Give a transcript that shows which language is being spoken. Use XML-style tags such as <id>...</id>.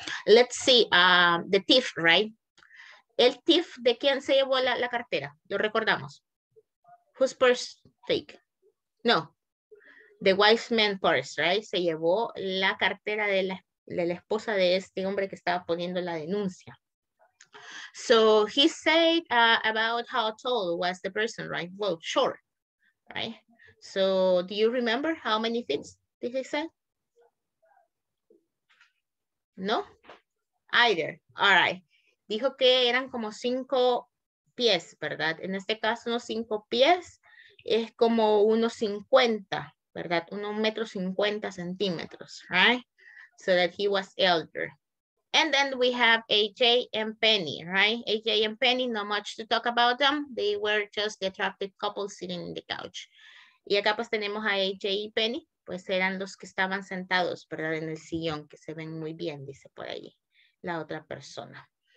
<en>Let's see, the thief, right?</en> <es>El thief, ¿de quién se llevó la cartera? Lo recordamos.</es> <en>Whose purse take? No, the wise man's purse, right?</en> <es>Se llevó la cartera de la esposa de este hombre que estaba poniendo la denuncia.</es> <en>So he said about how tall was the person, right? Well, short, right? So do you remember how many feet did he say?</en> <es>No?</es> <en>Either. All right.</en> <es>Dijo que eran como 5 pies, ¿verdad? En este caso, unos 5 pies es como 1.50, ¿verdad?</es> <en>1.50 metros, right? So that he was elder. And then we have AJ and Penny, right? AJ and Penny, not much to talk about them. They were just the attractive couple sitting in the couch.</en> <es>Y acá pues tenemos a AJ y Penny, pues eran los que estaban sentados, ¿verdad? En el sillón, que se ven muy bien, dice por ahí la otra persona.</es>